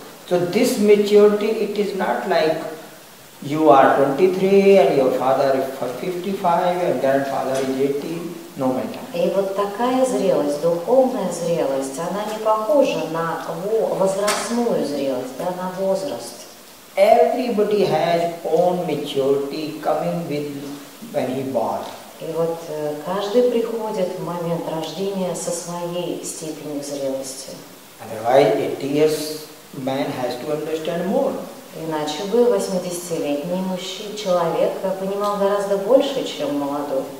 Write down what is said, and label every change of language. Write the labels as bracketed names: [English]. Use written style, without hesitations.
[English] So this maturity, it is not like you are 23 and your father is 55 and grandfather is 80. [Russian] И вот такая зрелость, духовная зрелость, она не похожа на возрастную зрелость, да, на возраст. [English] Everybody has own maturity coming with when he born. [Russian] И вот каждый приходит в момент рождения со своей степенью зрелости. [English] Otherwise, 80 years man has to understand more. [Russian] Иначе бы 80-летний мужчина, человек понимал гораздо больше, чем молодой.